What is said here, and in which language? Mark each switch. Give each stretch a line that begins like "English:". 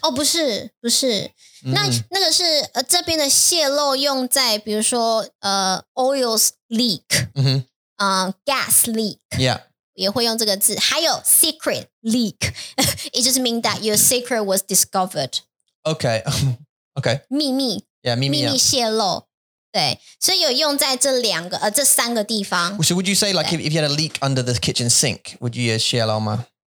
Chinese: 哦,不是,不是。Mm. 那个是, 这边的泄漏用在比如说,
English: oils leak, mm-hmm. Gas leak. Yeah.
Chinese: 也会用这个字, 还有
English: secret leak, it just means that your secret was discovered. Okay, okay.
Chinese: 秘密, yeah, 秘密, 秘密泄露, 对, 所以有用在这两个, 这三个地方。
English: So would you say like if you had a leak under the kitchen sink, would you use
Chinese: 泄露吗?